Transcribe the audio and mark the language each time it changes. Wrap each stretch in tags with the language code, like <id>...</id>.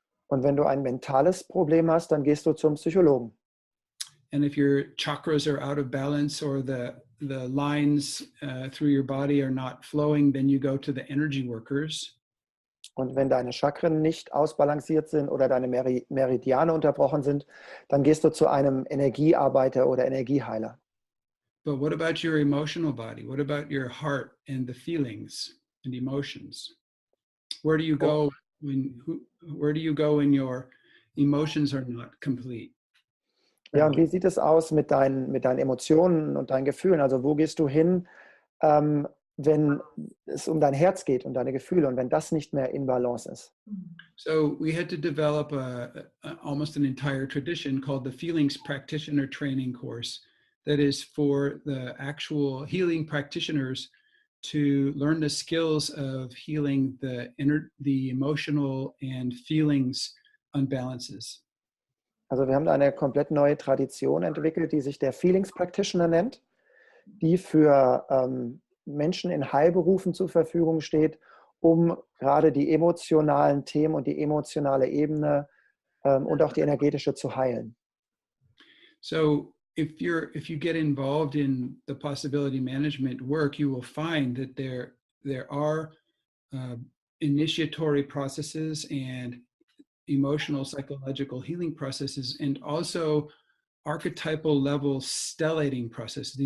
<de>Und wenn du ein mentales Problem hast, dann gehst du zum Psychologen.</de> <en>And if your chakras are out of balance or the lines through your body are not flowing, then you go to the energy workers.</en> <de>Und wenn deine Chakren nicht ausbalanciert sind oder deine Meridiane unterbrochen sind, dann gehst du zu einem Energiearbeiter oder Energieheiler.</de> <en>But what about your emotional body? What about your heart and the feelings and emotions? Where do you go when your emotions are not complete?</en> <de>Ja, und wie sieht es aus mit deinen Emotionen und deinen Gefühlen? Also wo gehst du hin, wenn es um dein Herz geht und deine Gefühle und wenn das nicht mehr in Balance ist?</de> <en>So we had to develop almost an entire tradition called the Feelings Practitioner Training Course. That is for the actual healing practitioners to learn the skills of healing the emotional and feelings unbalances.</en> <de>Also wir haben eine komplett neue Tradition entwickelt, die sich der Feelings Practitioner nennt, die für Menschen in Heilberufen zur Verfügung steht, um gerade die emotionalen Themen und die emotionale Ebene und auch die energetische zu heilen.</de> <en>So if you get involved in the possibility management work, you will find that there are initiatory processes and emotional psychological healing processes and also archetypal level stellating processes.</en>